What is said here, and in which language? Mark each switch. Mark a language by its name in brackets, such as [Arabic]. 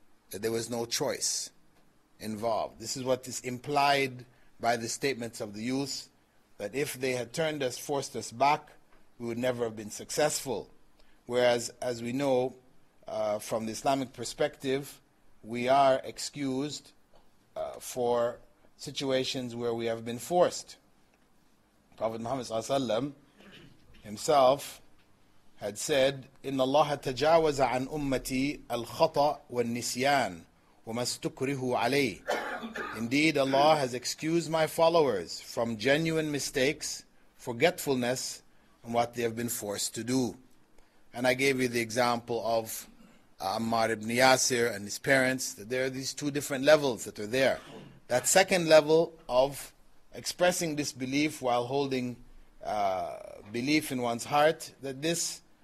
[English] That there was no choice involved. This is what is implied by the statements of the youth, that if they had turned us, forced us back, we would never have been successful. Whereas, as we know, from the Islamic perspective, we are excused for situations where we have been forced. Prophet Muhammad sallallahu alaihi wasallam himself had said, [Arabic] إِنَّ اللَّهَ تَجَاوَزَ عَنْ أُمَّتِي الْخَطَأ وَالنِّسْيَانِ وَمَا اسْتُكْرِهُ عَلَيْهِ. [English] Indeed, Allah has excused my followers from genuine mistakes, forgetfulness, and what they have been forced to do. And I gave you the example of Ammar ibn Yasir and his parents. That there are these two different levels that are there. That second level of expressing disbelief while holding belief in one's heart, that this